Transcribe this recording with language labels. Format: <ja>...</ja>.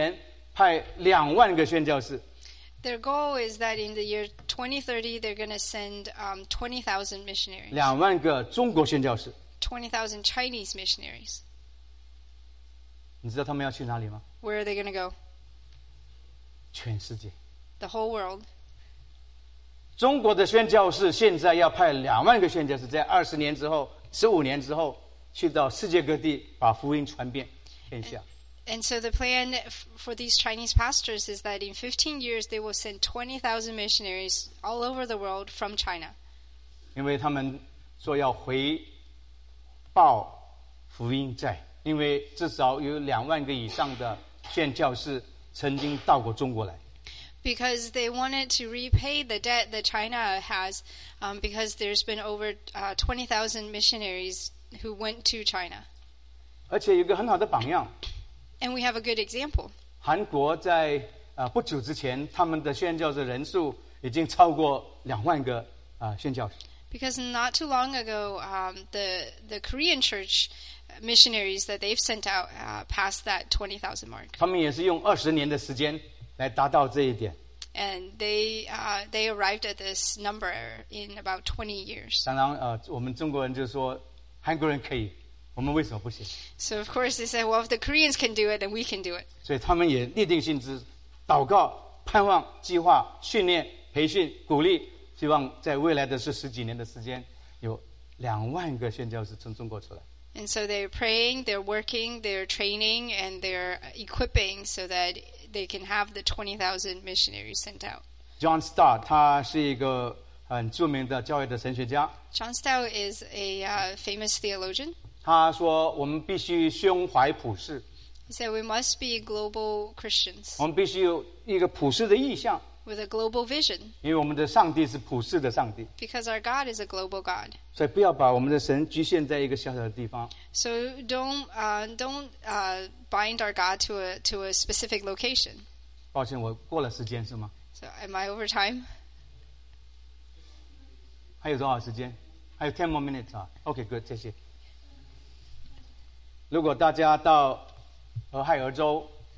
<zh>他们说我们要在2030年派2万个宣教士。</zh> <en>Their goal is that in the year 2030, they're going to send 20,000 missionaries.</en> <zh>2万个中国宣教士。</zh> <en>20,000 Chinese missionaries.</en> <zh>你知道他们要去哪里吗?</zh> <en>Where are they going to go?</en> <zh>全世界。</zh> <en>The whole world.</en> <zh>中国的宣教士现在要派2万个宣教士, 在20年之后, 15年之后, 去到世界各地把福音传遍天下。</zh> <en>And so the plan for these Chinese pastors is that in 15 years, they will send 20,000 missionaries all over the world from China.</en> <zh>因为他们说要回 报福音债，因为至少有2万个以上的宣教士曾经到过中国来。</zh> <en>Because they wanted to repay the debt that China has, because there's been over 20,000 missionaries who went to China.</en> <zh>而且有一个很好的榜样。</zh> <en>And we have a good example.</en> <zh>韩国在 不久之前，他们的宣教士人数已经超过2万个 宣教士。</zh> <en>Because not too long ago, the Korean church missionaries that they've sent out passed that 20,000 mark.</en> <zh>他们也是用20年的时间来达到这一点。</zh> <en>And they arrived at this number in about 20 years.</en> <zh>当然, 我们中国人就说, 韩国人可以, 我们为什么不行?</zh> <en>So of course they said, well, if the Koreans can do it, then we can do it.</en> <zh>所以他们也立定心志, 祷告, 盼望, 计划, 训练, 培训, 鼓励, 希望在未来的是十几年的时间，有2万个宣教士从中国出来。</zh> <en>And so they're praying, they're working, they're training, and they're equipping so that they can have the 20,000 missionaries sent out.</en> <zh>John Stott, 他是一个很著名的教会的神学家。</zh> <en>John Stott is a famous theologian.</en> <zh>他说我们必须胸怀普世。</zh> <en>He said we must be global Christians.</en> <zh>我们必须有一个普世的意向。</zh> <en>With a global vision.</en> <zh>因为我们的上帝是普世的上帝。</zh> <en>Because our God is a global God.</en> <zh>所以不要把我们的神局限在一个小小的地方。</zh> <en>So don't bind our God to a specific location.</en> <zh>抱歉，我过了时间是吗？</zh> <en>So am I over time?</en> <zh>还有多少时间？还有</zh> <en>10 more minutes 啊。 Okay, good,</en> <zh>谢谢。如果大家到俄亥俄州</zh>